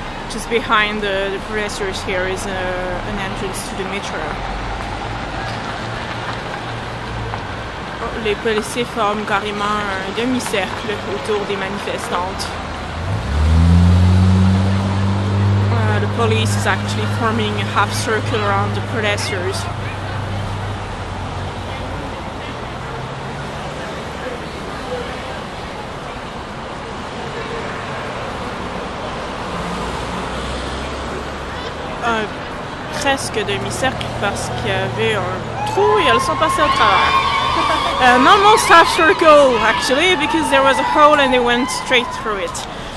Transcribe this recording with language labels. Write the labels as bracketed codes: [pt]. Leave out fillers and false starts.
[en] Just behind the professors here is an entrance to the metro. [fr] Oh, les policiers forment carrément un demi-cercle autour des manifestantes. [en] The police is actually forming a half circle around the protesters. [fr] Presque demi-cercle parce qu'il y avait un trou et elles sont passées à travers. [en] An almost half circle actually because there was a hole and they went straight through it.